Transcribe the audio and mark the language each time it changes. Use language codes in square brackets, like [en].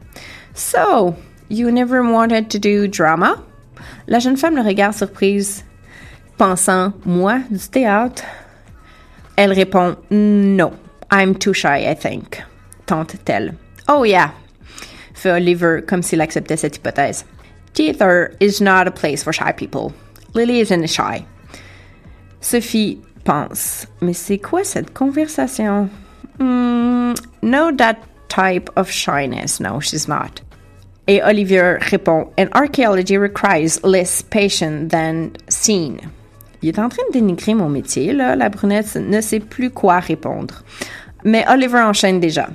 [en] « So, you never wanted to do drama? [fr] » La jeune femme le regarde surprise, pensant « Moi, du théâtre? » Elle répond « Non. » « [en] I'm too shy, I think [fr] », tente-t-elle. « [en] Oh yeah [fr] », fait Oliver comme s'il acceptait cette hypothèse. [en] « Theater is not a place for shy people. Lily isn't shy. » [fr] Sophie pense. « Mais c'est quoi cette conversation? [en] No, that type of shyness. No, she's not. [fr] » Et Oliver répond. « [en] An archaeology requires less patience than seen. [fr] » Il est en train de dénigrer mon métier, là. La brunette ne sait plus quoi répondre. Mais Oliver enchaîne déjà.